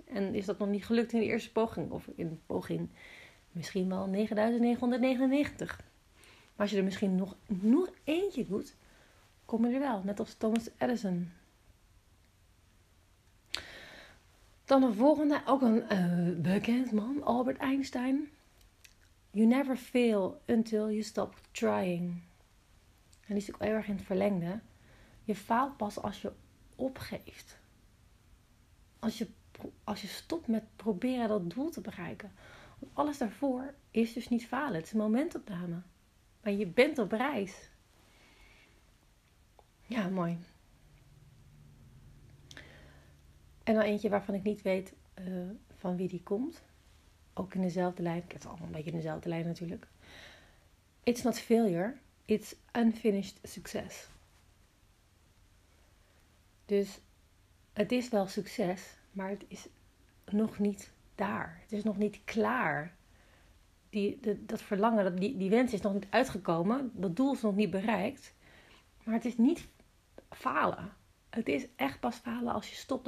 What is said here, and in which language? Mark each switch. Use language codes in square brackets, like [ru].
[nl] En is dat nog niet gelukt in de eerste poging? Of in poging misschien wel 9999. Maar als je er misschien nog eentje doet, kom je er wel. Net als Thomas Edison. Dan de volgende, ook een bekend man, Albert Einstein. [en] You never fail until you stop trying. [nl] En die is ook heel erg in het verlengde. Je faalt pas als je opgeeft. Als je stopt met proberen dat doel te bereiken. Want alles daarvoor is dus niet falen. Het is een momentopname. Maar je bent op reis. Ja, mooi. En dan eentje waarvan ik niet weet van wie die komt. Ook in dezelfde lijn. Ik heb het allemaal een beetje in dezelfde lijn natuurlijk. [en] It's not failure. It's unfinished success. [nl] Dus het is wel succes. Maar het is nog niet daar. Het is nog niet klaar. Dat verlangen, die wens is nog niet uitgekomen. Dat doel is nog niet bereikt. Maar het is niet falen. Het is echt pas falen als je stopt.